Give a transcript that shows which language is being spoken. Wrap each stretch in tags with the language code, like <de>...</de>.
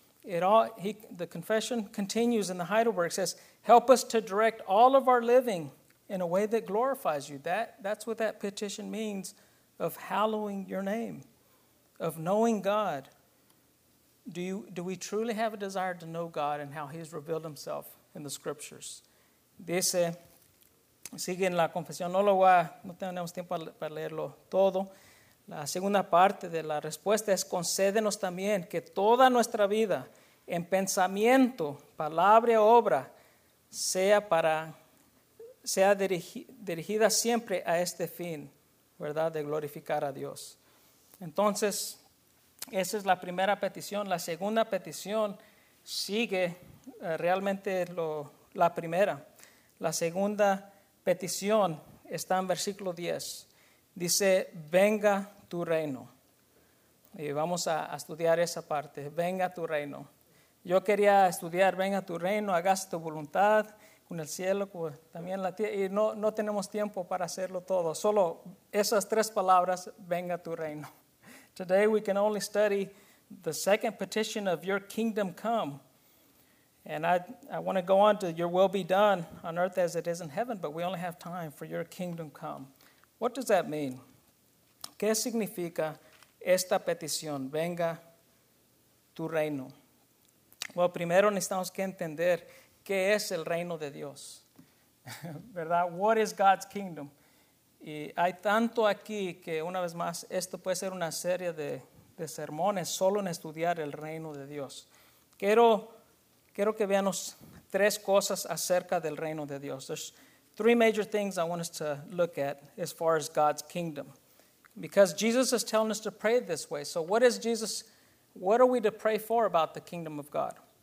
<en>The confession continues in the Heidelberg. It says, help us to direct all of our living in a way that glorifies you. That's what that petition means, of hallowing your name, of knowing God. Do we truly have a desire to know God and how he's revealed himself in the scriptures?</en> <es>Dice, sigue en la confesión, no tenemos tiempo para leerlo todo. La segunda parte de la respuesta es, concédenos también que toda nuestra vida, en pensamiento, palabra, obra, sea dirigida siempre a este fin, ¿verdad?, de glorificar a Dios. Entonces, esa es la primera petición. La segunda petición sigue realmente la primera. La segunda petición está en versículo 10. Dice, venga tu reino. Y vamos a estudiar esa parte. Venga tu reino. Yo quería estudiar, venga tu reino, hagas tu voluntad con el cielo, pues, también la tierra. Y no tenemos tiempo para hacerlo todo. Solo esas tres palabras, venga tu reino.</es> <en>Today we can only study the second petition of your kingdom come. And I want to go on to your will be done on earth as it is in heaven, but we only have time for your kingdom come. What does that mean?</en> <es>¿Qué significa esta petición? Venga tu reino. Bueno, primero necesitamos que entender qué es el reino de Dios. ¿Verdad?</es> <en>What is God's kingdom?</en> <es>Y hay tanto aquí que, una vez más, esto puede ser una serie de sermones solo en estudiar el reino de Dios. Quiero que veamos tres cosas acerca del reino de Dios.</es> <en>There's three major things I want us to look at as far as God's kingdom. Because Jesus is telling us to pray this way. So what are we to pray for about the kingdom of God?</en>